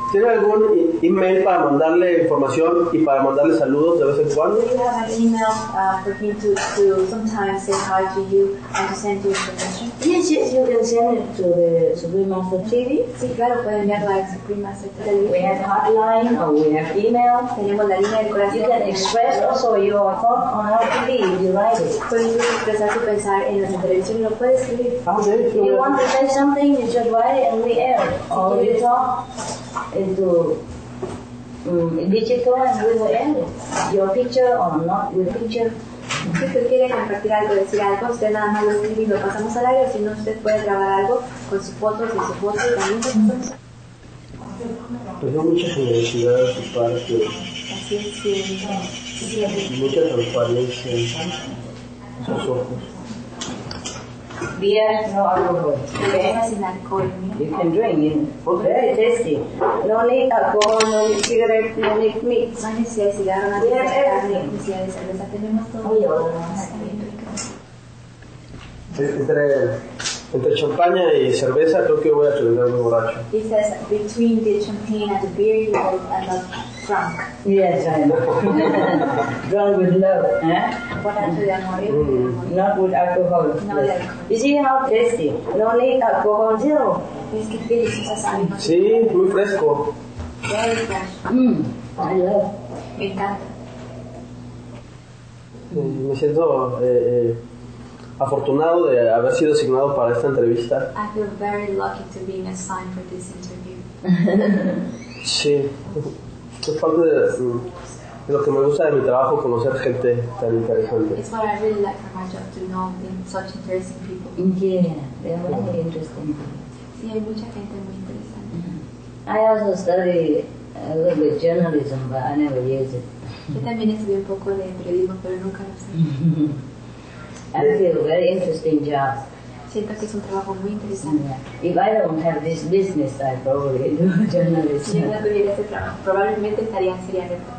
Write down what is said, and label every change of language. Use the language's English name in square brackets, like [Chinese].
[Spanish] ¿Tiene algún email para mandarle información y para mandarle saludos de vez en cuando? [English] Do you have an email for him to sometimes say hi to you and to send you information? Yes, you can send it to the Supreme Master TV. [Spanish] Sí, claro, pueden ver la Supreme Master TV. [English] We have hotline or we have email. [Spanish] Tenemos la línea de corazón. [English] You can express also your thought on our TV if you write it. [Spanish] Puedes expresar tu pensar en las intervenciones, lo puedes escribir. Ah, sí. [English] If you want to say something, you just write it and we air. Or you talk. Into digital and we will end it. Your picture or not your picture. [Spanish] Si usted quiere compartir algo, decir algo, usted nada más lo escribe y lo pasamos al aire, si no, usted puede grabar algo con su foto, sin su foto y también con su foto. Tengo mucha generosidad de su parte. Así es, sí. Mucha transparencia en sus ojos. [English] Beer, no alcohol. Beer is in alcohol. You can drink it. Okay. Very tasty. No need alcohol, no need cigarette, no need meat. No need cigarro, no need cigarro. Yeah, everything. [Spanish] Tenemos todo. [English] Oh, yeah. [Spanish] Entre champaña y cerveza, creo que voy a terminar muy borracho. [English] He says, between the champagne and the beer, you are not drunk. Yes, I know. Drunk with love, eh? Not with alcohol. No, yes. You see how tasty? No need alcohol, zero. [Spanish] Es que feliz, ¿sabes? Sí, muy fresco. [English] Very fresh. I love. [Spanish] Me siento... afortunado de haber sido asignado para esta entrevista. [English] I feel very lucky to be assigned for this interview. [Spanish] Sí. Es parte de lo que me gusta de mi trabajo, conocer gente tan interesante. [English] It's what I really like from my job, to know such interesting people. Yeah, they are very interesting. [Spanish] Sí, hay mucha gente muy interesante. [English] I also study a little bit journalism, but I never use it. [Spanish] Yo también estudié un poco de periodismo, pero nunca lo usé. [English] I feel very interesting job. [Spanish] Siento que es un trabajo muy interesante. Yeah. [English] If I don't have this business, I probably do journalism. [Spanish] Si no tuviera este trabajo, probablemente estaría sería de